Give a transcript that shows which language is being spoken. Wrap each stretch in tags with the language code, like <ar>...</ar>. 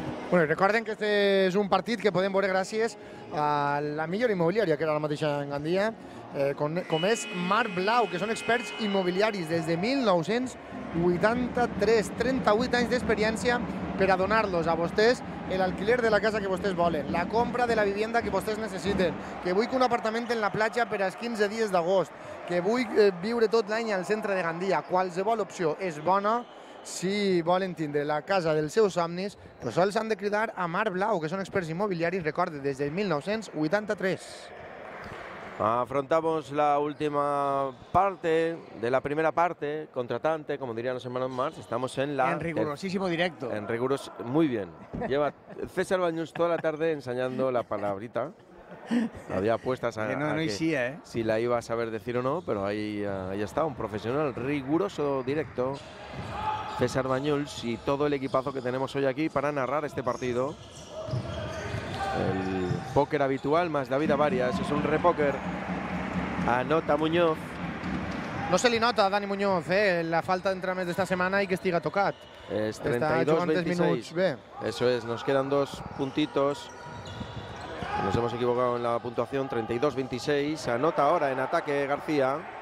<ca>Recorden que este és un partit que podem veure gràcies a la millor immobiliària, que era la mateixa en Gandia, com és Marc Blau, que són experts immobiliaris des de 1983, 38 anys d'experiència per a donar-los a vostès el alquiler de la casa que vostès volen,</ca> <es>la compra de la vivienda</es> <ca>que vostès necessiten, que vull que un apartament en la platja per als 15 dies d'agost, que vull viure tot l'any al centre de Gandia. Qualsevol opció és bona si volen tindre la casa dels seus somnis, però sols han de cridar a Mar Blau, que són experts immobiliaris, recorde, des del 1983.</ca> <es>Afrontamos la última parte de la primera parte, contratante, como dirían los hermanos Marx, estamos en la... En rigurosísimo directo. En riguros, muy bien. Lleva César Baños toda la tarde ensayando la palabrita. Había apuestas a que, si la iba a saber decir o no, pero ahí, ahí está, un profesional riguroso directo. César Baños y todo el equipazo que tenemos hoy aquí para narrar este partido. El póker habitual más David Avarias, es un repóker. Anota Muñoz.</es> <ca>No se li nota a Dani Muñoz, eh? La falta d'entrenament d'esta setmana i que estiga tocat. És 32-26.</ca> <es>Eso es, nos quedan dos puntitos. Nos hemos equivocado en la puntuación, 32-26. Anota ahora en ataque García.</es>